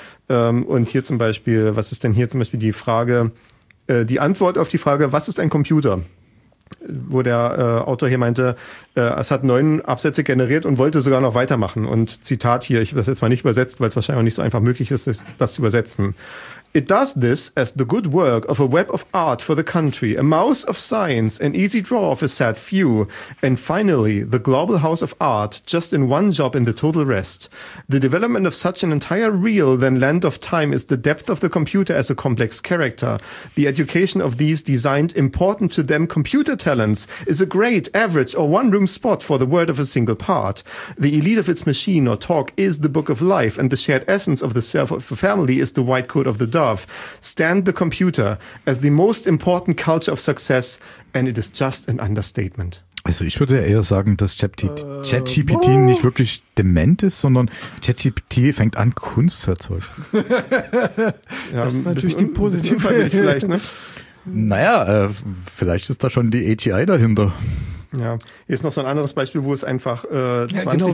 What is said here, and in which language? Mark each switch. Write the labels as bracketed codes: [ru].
[de] Und hier zum Beispiel, was ist denn hier zum Beispiel die Frage, die Antwort auf die Frage, was ist ein Computer? Wo der Autor hier meinte, es hat 9 Absätze generiert und wollte sogar noch weitermachen. Und Zitat hier, ich habe das jetzt mal nicht übersetzt, weil es wahrscheinlich auch nicht so einfach möglich ist, das zu übersetzen. [en] It does this as the good work of a web of art for the country, a mouse of science, an easy draw of a sad few, and finally the global house of art, just in one job in the total rest. The development of such an entire real then land of time is the depth of the computer as a complex character. The education of these designed important to them computer talents is a great average or one room spot for the word of a single part. The elite of its machine or talk is the book of life, and the shared essence of the self of a family is the white coat of the dove. Stand the computer as the most important culture of success, and it is just an understatement. [de] Also ich würde eher sagen, dass ChatGPT nicht wirklich dement ist, sondern ChatGPT fängt an, Kunst zu erzeugen. Ja, das ist natürlich die positive Ansicht vielleicht, ne? Naja, vielleicht ist da schon die AGI dahinter. Ja, hier ist noch so ein anderes Beispiel, wo es einfach 20 ja, genau.